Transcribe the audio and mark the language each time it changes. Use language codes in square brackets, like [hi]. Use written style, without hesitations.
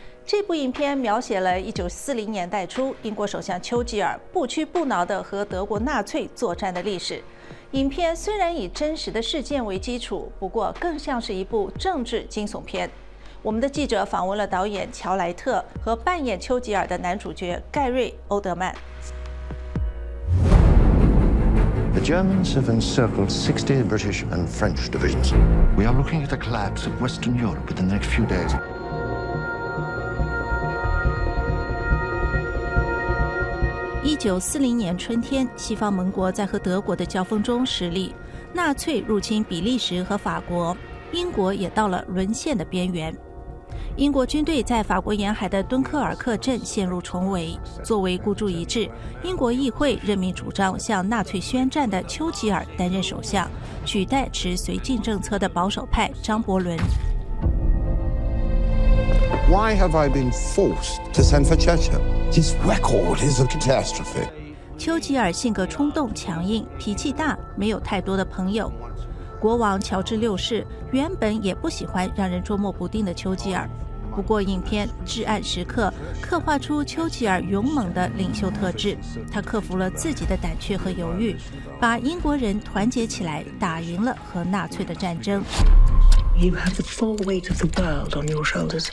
[zh] 这部影片描写了1940年代初英国首相丘吉尔不屈不挠地和德国纳粹作战的历史。影片虽然以真实的事件为基础，不过更像是一部政治惊悚片。我们的记者访问了导演乔莱特和扮演丘吉尔的男主角盖瑞·欧德曼。 [en] The Germans have encircled 60 British and French divisions. We are looking at the collapse of Western Europe within the next few days. In 1940, [zh] 西方盟国在和德国的交锋中失利，纳粹入侵比利时和法国，英国也到了沦陷的边缘。英国军队在法国沿海的敦刻尔克镇陷入重围。作为孤注一掷，英国议会任命主张向纳粹宣战的丘吉尔担任首相，取代持绥靖政策的保守派张伯伦。 [en] Why have I been forced to send for Churchill? This record is a catastrophe. [zh] 丘吉尔性格冲动、强硬，脾气大，没有太多的朋友。国王乔治六世原本也不喜欢让人捉摸不定的丘吉尔，不过影片《至暗时刻》刻画出丘吉尔勇猛的领袖特质，他克服了自己的胆怯和犹豫，把英国人团结起来，打赢了和纳粹的战争。 [en] You have the full weight of the world on your shoulders.